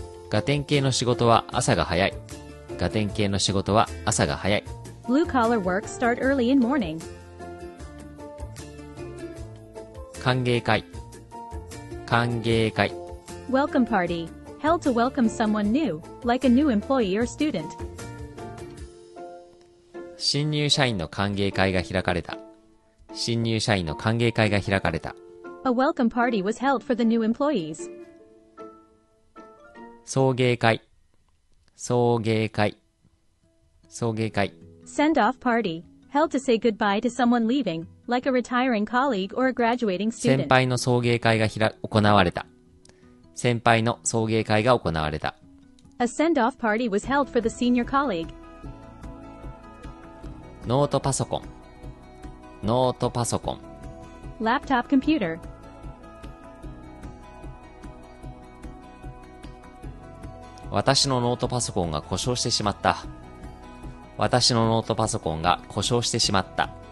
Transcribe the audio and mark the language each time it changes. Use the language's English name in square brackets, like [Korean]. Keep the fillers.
[Japanese] ガテン系の仕事は朝が早い。ガテン系の仕事は朝が早い。 [English] Blue collar work start early in morning. [Japanese] 歓迎会歓迎会 [English] Welcome party. Held to welcome someone new, like a new employee or student. [Japanese] 新入社員の歓迎会が開かれた。新入社員の歓迎会が開かれた。 [English] A welcome party was held for the new employees. [Japanese] 送迎会送迎会送迎会 [English] send off party held to say goodbye to someone leaving like a retiring colleague or a graduating student 先 [Japanese] 輩の送迎会がひら行われた先輩の送迎会が行われた [English] a send off party was held for the senior colleague [Japanese] ノートパソコンノートパソコン [English] laptop computer [Japanese] 私のノートパソコンが故障してしまった。私のノートパソコンが故障してしまった。